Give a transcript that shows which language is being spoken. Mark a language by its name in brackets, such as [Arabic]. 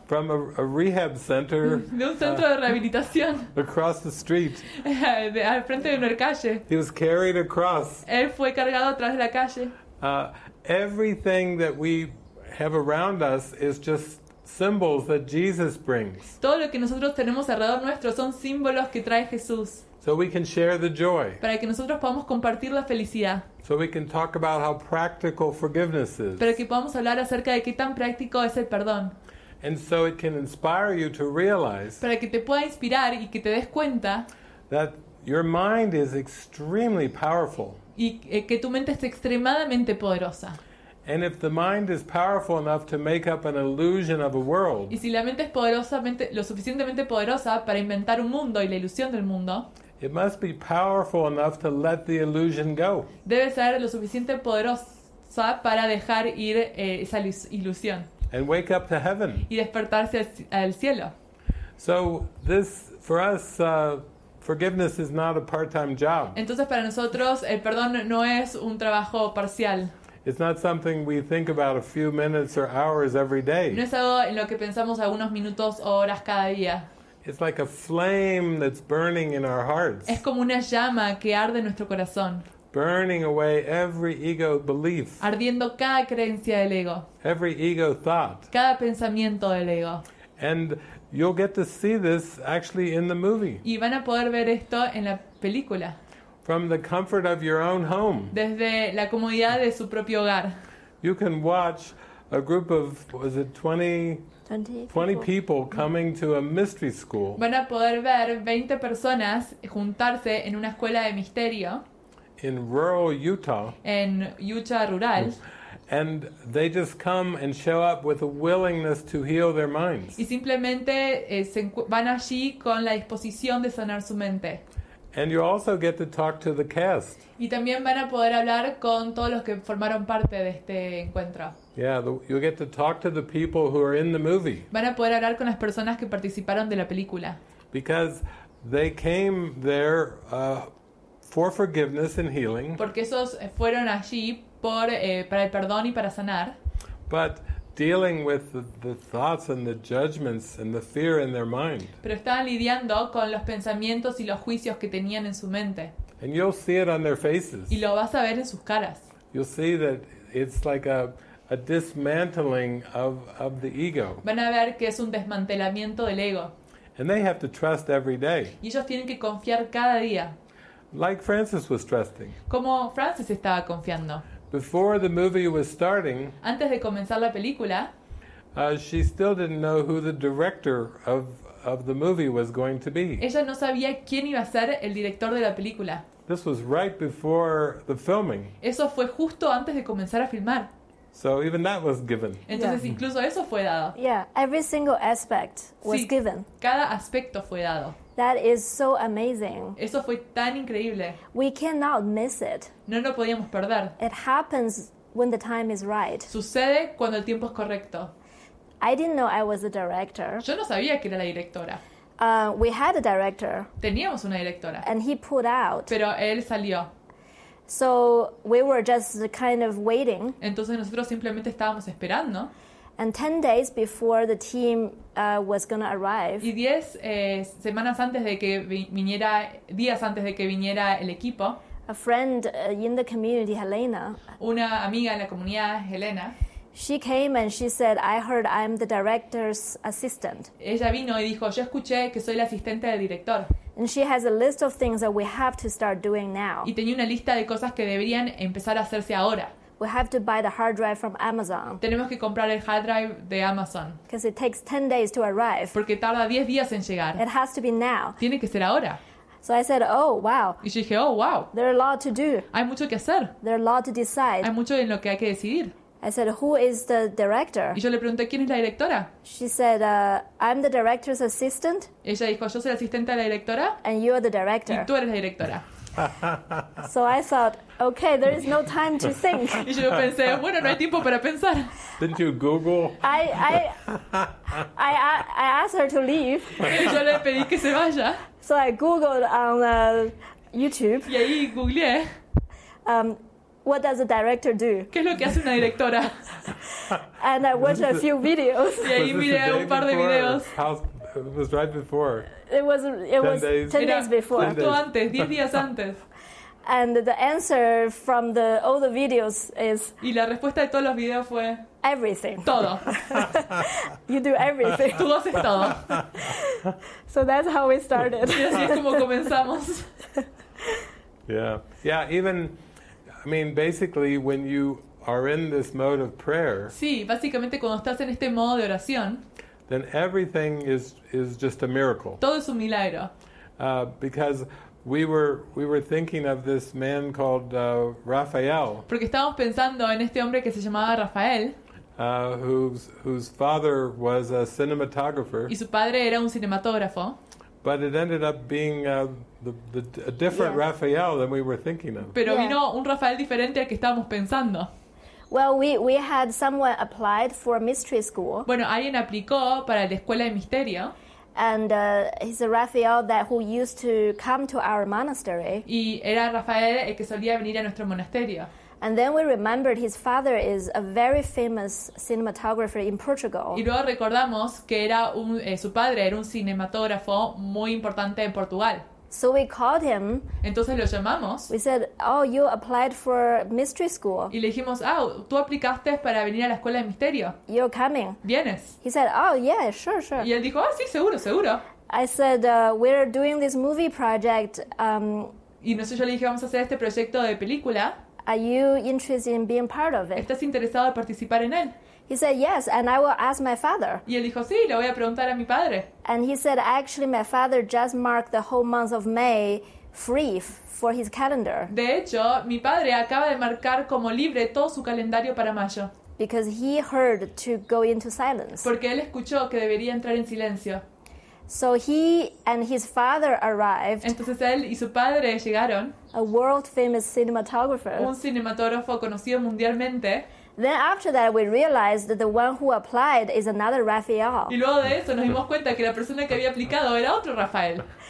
[English] From a rehab center. [Spanish] De un centro de rehabilitación. [English] Across the street. [Spanish] Al frente de una calle. [English] He was carried across. [Spanish] Él fue cargado atrás de la calle. [English] Everything that we have around us is just symbols that Jesus brings. [Spanish] Todo lo que nosotros tenemos alrededor nuestro son símbolos que trae Jesús. [English] So we can share the joy. [Spanish] Para que nosotros podamos compartir la felicidad. [English] So we can talk about how practical forgiveness is. [Spanish] Para que podamos hablar acerca de qué tan práctico es el perdón. [English] And so it can inspire you to realize. [Spanish] Para que te pueda inspirar y que te des cuenta. [English] That your mind is extremely powerful. [Spanish] Y que tu mente es extremadamente poderosa. [English] And if the mind is powerful enough to make up an illusion of a world. [Spanish] Y si la mente es lo suficientemente poderosa para inventar un mundo y la ilusión del mundo. [English] It must be powerful enough to let the illusion go. [Spanish] Debe ser lo suficiente poderosa para dejar ir esa ilusión. [English] And wake up to heaven. [Spanish] Y despertarse al cielo. [English] So this for us forgiveness is not a part-time job. [Spanish] Entonces para nosotros el perdón no es un trabajo parcial. [English] It's not something we think about a few minutes or hours every day. [Spanish] No es algo en lo que pensamos algunos minutos o horas cada día. [English] It's like a flame that's burning in our hearts. [Spanish] Es como una llama que arde en nuestro corazón. [English] Burning away every ego belief. [Spanish] Ardiendo cada creencia del ego. [English] Every ego thought. [Spanish] Cada pensamiento del ego. [English] And you'll get to see this actually in the movie. [Spanish] Y van a poder ver esto en la película. [English] From the comfort of your own home. [Spanish] Desde la comodidad de su propio hogar. [English] You can watch a group of, was it 20? [Spanish] 20 [English] people coming to a mystery school. [Spanish] Van a poder ver 20 personas juntarse en una escuela de misterio. [English] In rural Utah. [Spanish] En Utah rural. [English] And they just come and show up with a willingness to heal their minds. [Spanish] Y simplemente van allí con la disposición de sanar su mente. [English] And you also get to talk to the cast. [Spanish] Y también van a poder hablar con todos los que formaron parte de este encuentro. [English] Yeah, you get to talk to the people who are in the movie. [Spanish] Van a poder hablar con las personas que participaron de la película. [English] Because they came there for forgiveness and healing. [Spanish] Porque esos fueron allí para el perdón y para sanar. [English] But dealing with the thoughts and the judgments and the fear in their mind. [Spanish] Pero estaban lidiando con los pensamientos y los juicios que tenían en su mente. [English] And you'll see it on their faces. [Spanish] Y lo vas a ver en sus caras. [English] You'll see that it's like a dismantling of the ego. [Spanish] Van a ver que es un desmantelamiento del ego. [English] And they have to trust every day. [Spanish] Y ellos tienen que confiar cada día. [English] Like Francis was trusting. [Spanish] Como Francis estaba confiando. [English] Before the movie was starting, [Spanish] antes de comenzar la película, [English] she still didn't know who the director of the movie was going to be. [Spanish] Ella no sabía quién iba a ser el director de la película. [English] This was right before the filming. [Spanish] Eso fue justo antes de comenzar a filmar. [English] So even that was given. [Spanish] Entonces yeah. Incluso eso fue dado. [English] Yeah, every single aspect was [Spanish] sí, [English] given. [Spanish] Cada aspecto fue dado. [English] That is so amazing. [Spanish] Eso fue tan increíble. [English] We cannot miss it. [Spanish] No lo podíamos perder. [English] It happens when the time is right. [Spanish] Sucede cuando el tiempo es correcto. [English] I didn't know I was a director. [Spanish] Yo no sabía que era la directora. [English] We had a director. [Spanish] Teníamos una directora. [English] And he put out. [Spanish] Pero él salió. [English] So we were just kind of waiting. [Spanish] Entonces nosotros simplemente estábamos esperando. [English] And 10 days before the team was going to arrive. [Spanish] Y 10 semanas antes de que viniera, días antes de que viniera el equipo. [English] A friend in the community, Helena. [Spanish] Una amiga en la comunidad, Helena. [English] She came and she said, "I heard I'm the director's assistant." [Spanish] Ella vino y dijo, "Yo escuché que soy la asistente del director." [English] And she has a list of things that we have to start doing now. [Spanish] Y tenía una lista de cosas que deberían empezar a hacerse ahora. [English] We have to buy the hard drive from Amazon. [Spanish] Tenemos que comprar el hard drive de Amazon. [English] Because it takes 10 days to arrive. [Spanish] Porque tarda 10 días en llegar. [English] It has to be now. [Spanish] Tiene que ser ahora. [English] So I said, oh, wow. [Spanish] Y yo dije, oh, wow. [English] There are a lot to do. [Spanish] Hay mucho que hacer. [English] There are a lot to decide. [Spanish] Hay mucho en lo que hay que decidir. [English] I said, who is the director? [Spanish] Y yo le pregunté, ¿quién es la directora? [English] She said, I'm the director's assistant. [Spanish] Ella dijo, yo soy la asistente de la directora. [English] And you are the director. [Spanish] Y tú eres la directora. [English] So I thought, okay, there is no time to think. [Spanish] Y yo pensé, bueno, no hay tiempo para pensar. [English] Didn't you Google? I asked her to leave. [Spanish] Y yo le pedí que se vaya. [English] So I Googled on YouTube. [Spanish] Y ahí googleé. [English] What does a director do? [Spanish] ¿Qué es lo que hace una directora? [English] And I watched a few videos. [Spanish] Y ahí miré un par de videos. [English] It was right before. It was 10 days before. [Spanish] Justo antes, 10 días antes. [English] And the answer from the all the videos is. [Spanish] Y la respuesta de todos los videos fue. [English] Everything. [Spanish] Todo. [English] You do everything. [Spanish] Tú haces todo. [English] So that's how we started. [Spanish] Y así es como comenzamos. [English] Yeah. Yeah, even. I mean, basically, when you are in this mode of prayer. [Spanish] Sí, básicamente cuando estás en este modo de oración. [English] Then everything is just a miracle. [Spanish] Todo es un milagro. [English] Because we were thinking of this man called Rafael. [Spanish] Porque estábamos pensando en este hombre que se llamaba Rafael. [English] Whose father was a cinematographer. [Spanish] Y su padre era un cinematógrafo. [English] But it ended up being a different Rafael than we were thinking of. [Spanish] Pero vino un Rafael diferente al que estábamos pensando. [English] Well, we had someone applied for a mystery school. [Spanish] Bueno, alguien aplicó para la escuela de misterio. [English] And he's a Rafael that who used to come to our monastery. [Spanish] Y era Rafael el que solía venir a nuestro monasterio. [English] And then we remembered his father is a very famous cinematographer in Portugal. [Spanish] Y luego recordamos que era su padre era un cinematógrafo muy importante en Portugal. [English] So we called him. [Spanish] Entonces lo llamamos. [English] We said, "Oh, you applied for mystery school." [Spanish] Y le dijimos, "Ah, oh, tú aplicaste para venir a la escuela de misterio." [English] You're coming. [Spanish] Vienes. [English] He said, "Oh, yeah, sure." [Spanish] Y él dijo, "Ah, oh, sí, seguro." [English] I said, "We're doing this movie project." [Spanish] Y no sé, yo le dije, "Vamos a hacer este proyecto de película." [English] Are you interested in being part of it? [Spanish] ¿Estás interesado en participar en él? [English] He said, yes, and I will ask my father. [Spanish] Y él dijo, sí, le voy a preguntar a mi padre. [English] And he said, actually, my father just marked the whole month of May free for his calendar. [Spanish] De hecho, mi padre acaba de marcar como libre todo su calendario para mayo. [English] Because he heard to go into silence. [Spanish] Porque él escuchó que debería entrar en silencio. [English] So he and his father arrived. [Spanish] Entonces él y su padre llegaron. [English] A world famous cinematographer. [Spanish] Un cinematógrafo conocido mundialmente. [English] Then after that we realized that the one who applied is another Rafael. [Spanish] Y luego de eso nos dimos cuenta que la persona que había aplicado era otro Rafael.